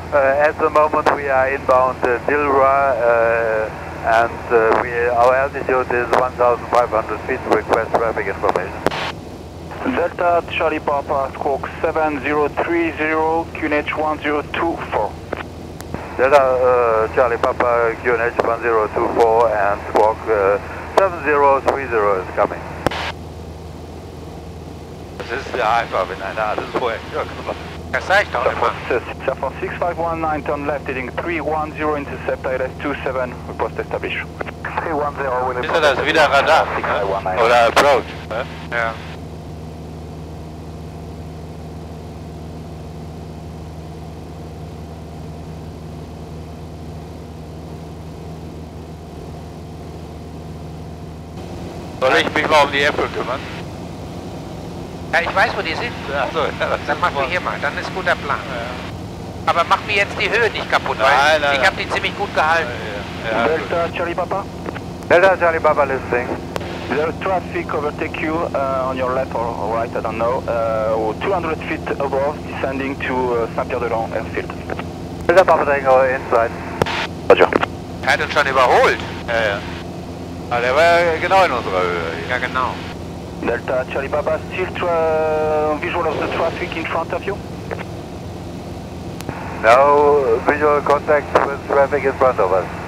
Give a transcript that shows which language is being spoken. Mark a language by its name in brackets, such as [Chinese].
[English] At the moment we are inbound Dillera and our altitude is 1500 feet, request traffic information. Delta Charlie Papa, squawk 7030, QNH 1024. Delta Charlie Papa, QNH 1024 and squawk 7030 is coming. [German] Das ist ja einfach, wenn einer alles vorher. Das sag ich doch immer. [English] Safon 6519, turn left, heading 310, intercept ILS 27, repost established. [German] Ist das wieder Radar? Oder Approach? Ja. Soll ich mich mal um die Äpfel kümmern? Ja, ich weiß, wo die sind. Achso, ja, dann machen wir hier mal, dann ist guter Plan. Ja. Aber mach mir jetzt die Höhe nicht kaputt, weil ich habe die ziemlich gut gehalten. [English] Delta Charlie Papa? Delta Charlie Papa listening. There's traffic overtake you on your left or right, I don't know. 200 feet above, descending to Saint-Pierre-de-Lon airfield. Delta Papa Tango, inside. Roger. [German] Hat uns schon überholt. Ja, ja. Aber der war ja genau in unserer Höhe. Ja, genau. [English] Delta Charlie Papa, still visual of the traffic in front of you? No visual contact with traffic in front of us.